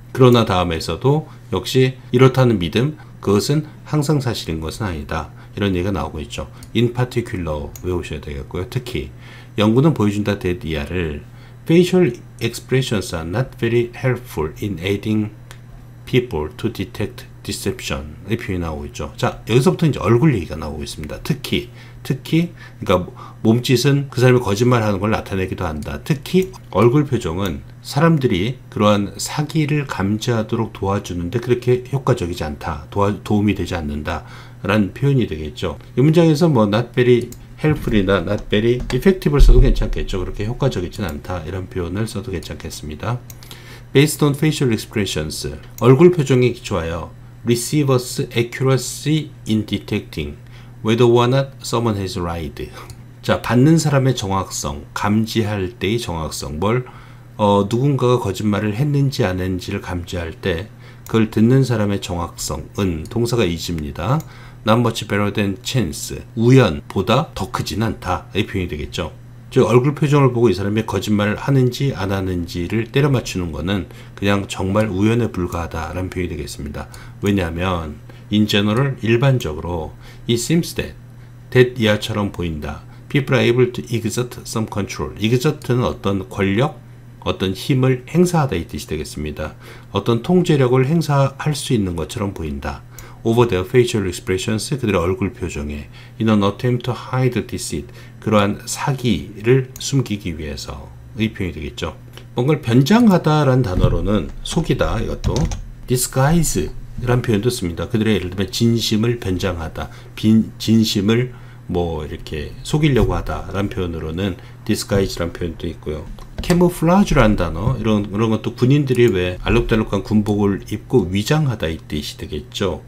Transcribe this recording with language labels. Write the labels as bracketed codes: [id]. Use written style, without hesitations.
[ko] 그러나 다음에서도 역시 이렇다는 믿음, 그것은 항상 사실인 것은 아니다. 이런 얘기가 나오고 있죠. [en] In particular [ko] 외우셔야 되겠고요. 특히 연구는 보여준다 [en] that ER을 Facial expressions are not very helpful in aiding people to detect deception. [ko] 이 표현이 나오고 있죠. 자, 여기서부터 이제 얼굴 얘기가 나오고 있습니다. 특히, 그러니까 몸짓은 그 사람이 거짓말하는 걸 나타내기도 한다. 특히 얼굴 표정은 사람들이 그러한 사기를 감지하도록 도와주는데 그렇게 효과적이지 않다. 도움이 되지 않는다. 라는 표현이 되겠죠. 이 문장에서 뭐 [en] not very helpful [ko] 이나 [en] not very effective [ko] 을 써도 괜찮겠죠. 그렇게 효과적이진 않다. 이런 표현을 써도 괜찮겠습니다. [en] Based on facial expressions, [ko] 얼굴 표정에 기초하여 [en] receiver's accuracy in detecting whether or not someone has lied. [ko] 자, 받는 사람의 정확성, 감지할 때의 정확성, 뭘 누군가가 거짓말을 했는지 안 했는지를 감지할 때 그걸 듣는 사람의 정확성은 동사가 is입니다. [en] Not much better than chance. [ko] 우연보다 더 크진 않다. 이 표현이 되겠죠. 즉 얼굴 표정을 보고 이 사람이 거짓말을 하는지 안 하는지를 때려 맞추는 것은 그냥 정말 우연에 불과하다라는 표현이 되겠습니다. 왜냐하면 [en] in general [ko] 일반적으로 [en] it seems that [ko] 이하처럼 보인다. [en] People are able to exert some control. [ko] exert는 어떤 권력, 어떤 힘을 행사하다 이 뜻이 되겠습니다. 어떤 통제력을 행사할 수 있는 것처럼 보인다. [en] Over their facial expressions, [ko] 그들의 얼굴 표정에 [en] in an attempt to hide deceit, [ko] 그러한 사기를 숨기기 위해서의 표현이 되겠죠. 뭔가를 변장하다라는 단어로는 속이다, 이것도 disguise라는 표현도 씁니다. 그들의 예를 들면 진심을 변장하다, 진심을 뭐 이렇게 속이려고 하다라는 표현으로는 disguise라는 표현도 있고요. camouflage라는 단어, 이런 것도 군인들이 왜 알록달록한 군복을 입고 위장하다 이 뜻이 되겠죠.